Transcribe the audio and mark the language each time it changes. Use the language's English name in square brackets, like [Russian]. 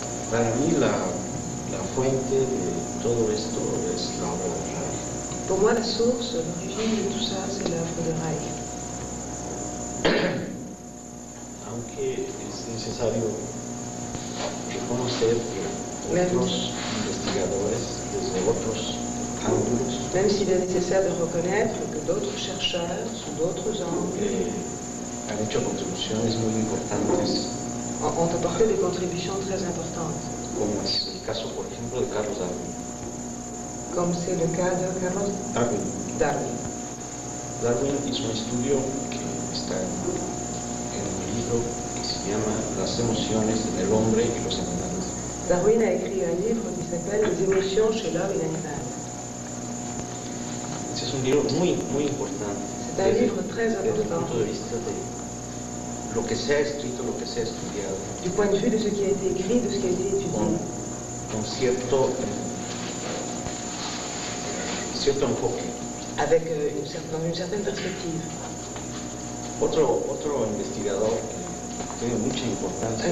[Spanish] Para mí la fuente de todo esto es la obra de Reich. [French] Pour moi, la source, l'origine de tout ça, c'est l'œuvre de Reich. [Spanish] Aunque es necesario reconocer que otros investigadores desde otros ángulos, [French] même s'il est nécessaire de reconnaître que d'autres chercheurs sous d'autres angles [Spanish] han hecho contribuciones muy importantes, [French] ont apporté des contributions très importantes, [Spanish] como es el caso, por ejemplo, de Carlos Darwin. [French] Comme c'est le cas de Carlos Darwin. Darwin. [Spanish] Darwin hizo un estudio que está en un libro que se llama Las emociones en el hombre y los animales. [French] Darwin a écrit un livre qui s'appelle Les émotions chez l'homme et l'animal. [Spanish] Este es un libro muy, muy importante. [French] C'est un livre très important. [Spanish] Desde el punto de vista de lo que se ha escrito, lo que se ha estudiado. [French] Du point de vue de ce qui a été écrit, de ce qui a été étudié. [Spanish] Con cierto enfoque. [French] Avec une certaine perspective. [Spanish] Otro investigador que tiene mucha importancia.